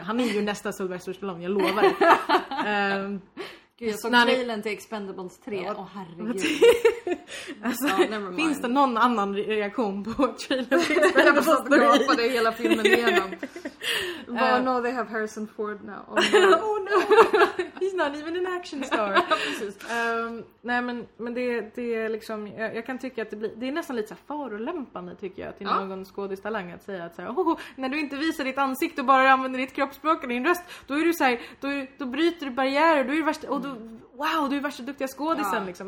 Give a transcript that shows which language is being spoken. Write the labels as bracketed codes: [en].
[sv] Han är ju nästa Sylvester Stallone, jag lovar. Gud, jag såg trailern till Expendables 3. Åh, herregud. Alltså, finns det någon annan reaktion på trailern till Expendables 3? Jag måste gapa det hela filmen igenom. [en] But no, they have Harrison Ford now. Oh no! He's not even an action star. [sv] Nej, men det är liksom, jag kan tycka att det blir, det är nästan lite så förolämpande tycker jag till någon skådestalang att säga att så här, när du inte visar ditt ansikte och bara använder ditt kroppsspråk och din röst, då är du så här, då bryter du barriärer, då är du värsta, och wow, du är värsta duktiga skådisen liksom.